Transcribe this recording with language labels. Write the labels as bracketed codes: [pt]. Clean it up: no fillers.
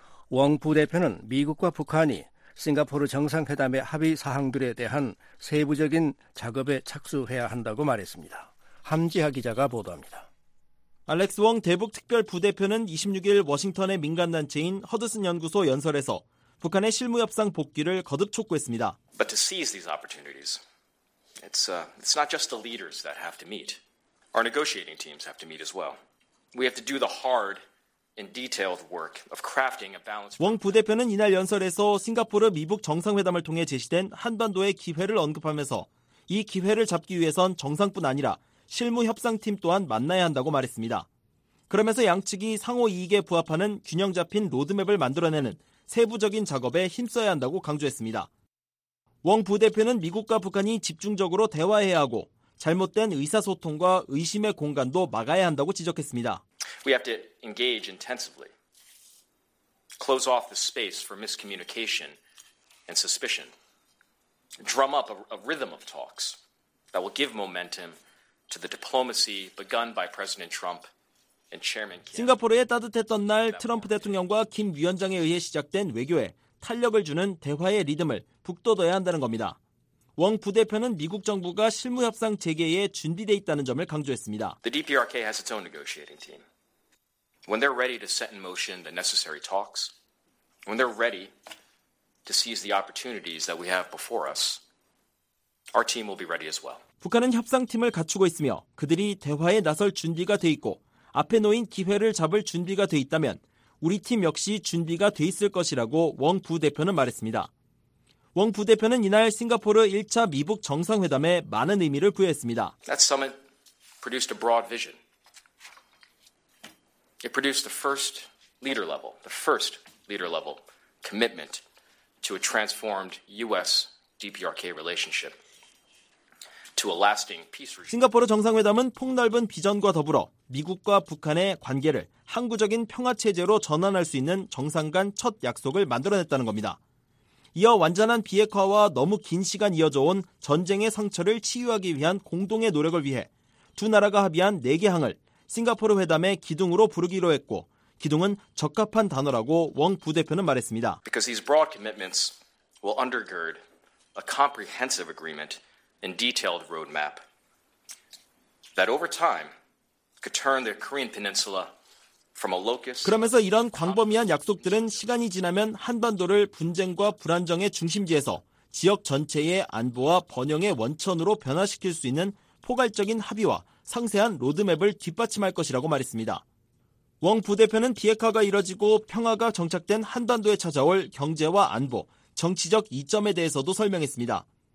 [ko] 웡 부대표는 미국과 북한이 싱가포르 정상회담의 합의 사항들에 대한 세부적인 작업에 착수해야 한다고 말했습니다. 함지하 기자가 보도합니다. 알렉스 웡 대북특별부대표는 26일 워싱턴의 민간단체인 허드슨 연구소 연설에서 북한의 실무협상 복귀를 거듭 촉구했습니다. [en] But to seize these opportunities, it's not just the leaders that have to meet. Our negotiating teams have to meet as well. We have to do the hard and detailed work of crafting a balance. [ko] 웡 부대표는 이날 연설에서 싱가포르 미북 정상회담을 통해 제시된 한반도의 기회를 언급하면서 이 기회를 잡기 위해선 정상뿐 아니라 실무 협상팀 또한 만나야 한다고 말했습니다. 그러면서 양측이 상호 이익에 부합하는 균형 잡힌 로드맵을 만들어내는 세부적인 작업에 힘써야 한다고 강조했습니다. 웡 부대표는 미국과 북한이 집중적으로 대화해야 하고 잘못된 의사소통과 의심의 공간도 막아야 한다고 지적했습니다. [en] We have to engage intensively. Close off the space for miscommunication and suspicion. Drum up a rhythm of talks that will give momentum to the diplomacy begun by President Trump and Chairman Kim. [ko] 싱가포르의 따뜻했던 날 트럼프 대통령과 김 위원장에 의해 시작된 외교에 탄력을 주는 대화의 리듬을 북돋아야 한다는 겁니다. 웡 부대표는 미국 정부가 실무협상 재개에 준비돼 있다는 점을 강조했습니다. [en] The DPRK has its own negotiating team. When they're ready to set in motion the necessary talks, when they're ready to seize the opportunities that we have before us, our team will be ready as well. [ko] 북한은 협상팀을 갖추고 있으며 그들이 대화에 나설 준비가 돼 있고 앞에 놓인 기회를 잡을 준비가 돼 있다면 우리 팀 역시 준비가 돼 있을 것이라고 웡 부대표는 말했습니다. 웡 부대표는 이날 싱가포르 1차 미북 정상회담에 많은 의미를 부여했습니다. [en] That summit produced a broad vision. It produced the first leader level, commitment to a transformed U.S.-DPRK relationship. [ko] 싱가포르 정상회담은 폭넓은 비전과 더불어 미국과 북한의 관계를 항구적인 평화체제로 전환할 수 있는 정상 간 첫 약속을 만들어냈다는 겁니다. 이어 완전한 비핵화와 너무 긴 시간 이어져온 전쟁의 상처를 치유하기 위한 공동의 노력을 위해 두 나라가 합의한 4개 항을 싱가포르 회담의 기둥으로 부르기로 했고 기둥은 적합한 단어라고 웡 부대표는 말했습니다. [en] Because these broad commitments will undergird a comprehensive agreement and detailed roadmap that over time could turn the Korean Peninsula from a locus. [ko] 그러면서 이런 광범위한 약속들은 시간이 지나면 한반도를 분쟁과 불안정의 중심지에서 지역 전체의 안보와 번영의 원천으로 변화시킬 수 있는 포괄적인 합의와 상세한 로드맵을 뒷받침할 것이라고 말했습니다. 웡 부대표는 비핵화가 이뤄지고 평화가 정착된 한반도에 찾아올 경제와 안보, 정치적 이점에 대해서도 설명했습니다.